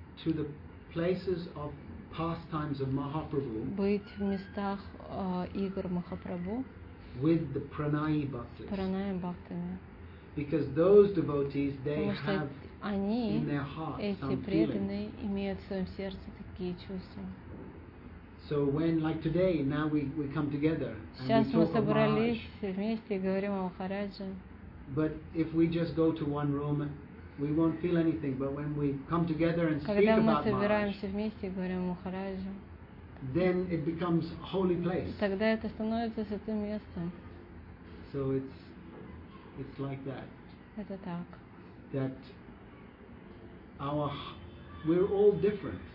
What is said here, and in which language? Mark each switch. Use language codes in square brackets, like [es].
[en] To the places of pastimes of Mahaprabhu. [ru] Быть в местах игр Махапрабху. [en] With the pranayi bhaktas. [ru] Пранай бхактами. [en] Because those devotees they have [ru] они, [en] in their heart some feeling. [ru] Эти преданные имеют в своем сердце такие чувства. [en] So when like today now we come together and we [ru] собрались вместе и говорим о Махарадже. [en] But if we just go to one room we won't feel anything, but when we come together and speak [ru] Когда мы собираемся вместе и говорим о Махарадже. [en] Then it becomes a holy place. [ru] Тогда это становится святым местом. [en] So it's like that. [ru] Это так. [en] That our we're all different.